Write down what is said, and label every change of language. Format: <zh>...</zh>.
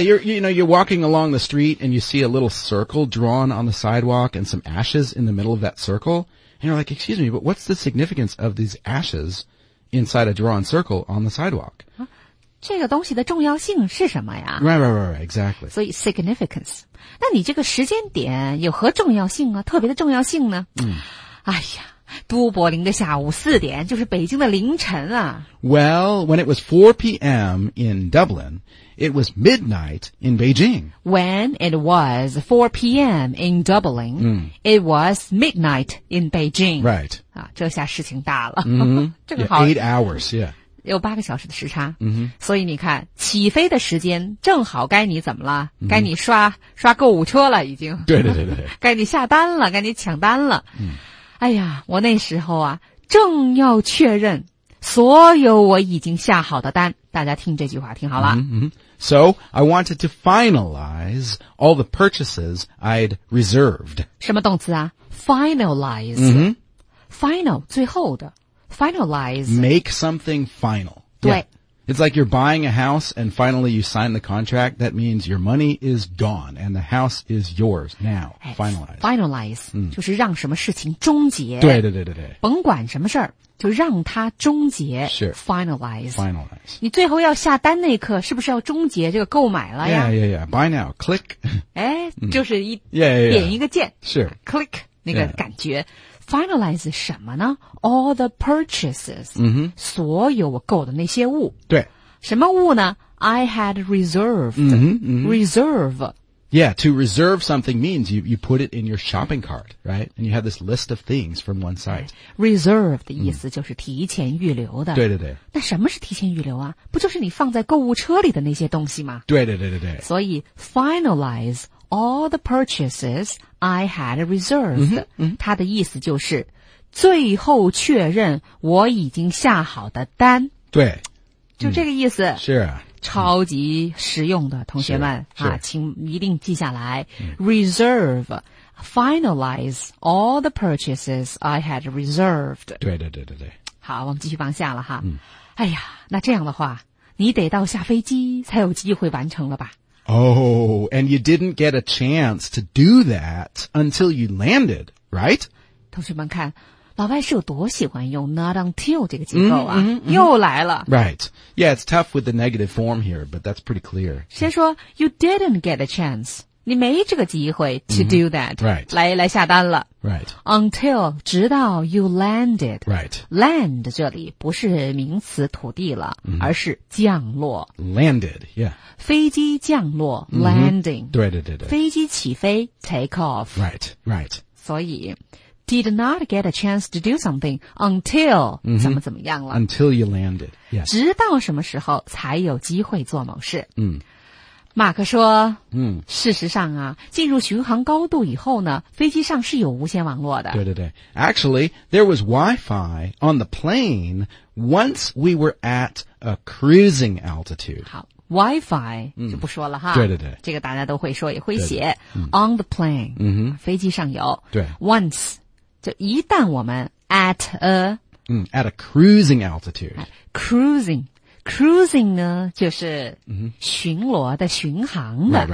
<en>You're walking along the street and you see a little circle drawn on the sidewalk and some ashes in the middle of that circle, and you're like, "Excuse me, but what's the significance of these ashes inside a drawn circle on the sidewalk?"</en> <zh>这个东西的重要性是什么呀</zh> <en>？Right. Exactly.</en> <zh>所以 significance. 那你这个时间点有何重要性啊？特别的重要性呢？嗯，哎呀。都柏林的下午四点就是北京的凌晨啊。</zh> <en>Well, when it was 4 p.m. in Dublin, it was midnight in Beijing. When it was 4 p.m. in Dublin,、 mm. it was midnight in Beijing. Right.</en> <zh>啊，这下事情大了。 Mm-hmm. 正好</zh> <en>8 hours, yeah.</en> <zh>有八个小时的时差。 Mm-hmm. 所以你看起飞的时间正好该你怎么了、mm-hmm. 该你刷购物车了已经。对对对对。该你下单了该你抢单了。 Mm-hmm. 哎呀，我那时候啊，正要确认所有我已经下好的单。大家听这句话听好了。 Mm-hmm.</zh> <en>So, I wanted to finalize all the purchases I'd reserved.</en> <zh>什么动词啊 ?finalize.、 Mm-hmm. Final, 最后的。Finalize.</zh> <en>Make something final. 对。Yeah. It's like you're buying a house and finally you sign the contract. That means your money is gone and the house is yours now. Finalize. Finalize.、</en> <zh>嗯、就是让什么事情终结。对对对对对。甭管什么事儿就让它终结。是。 Finalize. Finalize. 你最后要下单那刻是不是要终结这个购买了呀</zh> <en>Yeah. Buy now. Click.</en> <zh>哎就是一、</zh> <en>嗯、yeah, yeah, yeah.</en> <zh>点一个键。是。 Click, 那个感觉。Yeah. Finalize 什么呢 ?</zh> <en>All the purchases.、 Mm-hmm.</en> <zh>所有我购的那些物。对。什么物呢 ?</zh> <en>I had reserved.、 Mm-hmm, mm-hmm. Reserve. Yeah, to reserve something means you put it in your shopping cart, right? And you have this list of things from one site.</en> <zh>Reserve 的意思就是提前预留的。对对对。那什么是提前预留啊不就是你放在购物车里的那些东西吗对对对对对。</zh> <en>所以 ,finalize,All the purchases I had reserved.</en> <zh>嗯哼嗯哼它的意思就是最后确认我已经下好的单。对。就这个意思。嗯、是。超级实用的同学们啊，请一定记下来。</zh> <en>Reserve, finalize all the purchases I had reserved.</en> <zh>对对对对对。好，我们继续往下了哈。嗯、哎呀，那这样的话，你得到下飞机才有机会完成了吧。</zh> <en>Oh, and you didn't get a chance to do that until you landed, right?</en> <zh>同学们看，老外是有多喜欢用 not until 这个结构啊、又来了。</zh> <en>Right. Yeah, it's tough with the negative form here, but that's pretty clear. 先说 you didn't get a chance,</en> <zh>你没这个机会</zh> <en>to do that,、 right.</en> <zh>来下单了。</zh> <en>Right.</en> <zh>Until, 直到 you landed.</zh> <en>Right.</en> <zh>Land 这里不是名词土地了、而是降落。</zh> <en>Landed, yeah.</en> <zh>飞机降落、landing. 对对对对。飞机起飞 take off.</zh> <en>Right, right. 所以Did not get a chance to do something until</en> <zh>怎么怎么样了</zh> <en>Until you landed、yes.</en> <zh>直到什么时候才有机会做某事、嗯、马克说、事实上啊进入巡航高度以后呢飞机上是有无线网络的</zh> <en>对对对 Actually, there was Wi-Fi on the plane once we were at a cruising altitude</en> <zh>好 Wi-Fi、就不说了哈对对对这个大家都会说也会写对对、</zh> <en>On the plane、</en> <zh>飞机上有对 Once就一旦我们 at a,、</zh> <en>at a cruising altitude.</en> <zh>Cruising. Cruising 呢就是巡逻的巡航的。</zh>